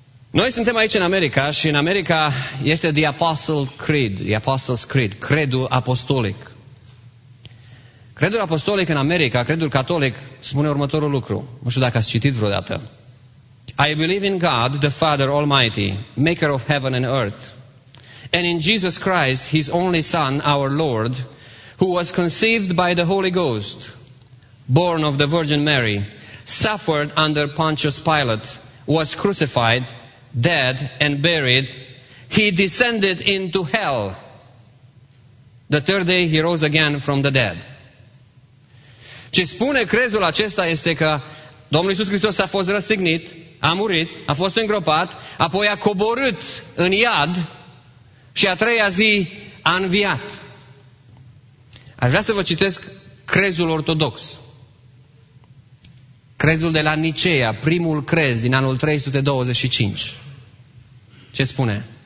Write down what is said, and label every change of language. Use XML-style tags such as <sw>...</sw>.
<ro>Noi suntem aici în America și în America este</ro> <en>The Apostle Creed, The Apostle's Creed,</en> <ro>credul apostolic. Credul apostolic în America, credul catolic, spune următorul lucru. Nu știu dacă ați citit vreodată.</ro> <en>I believe in God, the Father Almighty, maker of heaven and earth, and in Jesus Christ, his only Son, our Lord, who was conceived by the Holy Ghost, born of the Virgin Mary, suffered under Pontius Pilate, was crucified, dead and buried, he descended into hell. The third day he rose again from the dead.</en> <ro>Ce spune crezul acesta este că Domnul Iisus Hristos a fost răstignit, a murit, a fost îngropat, apoi a coborât în iad și a treia zi a înviat. Aș vrea să vă citesc crezul ortodox. Crezul de la Nicea, primul crez din anul 325. Ce spune?</ro>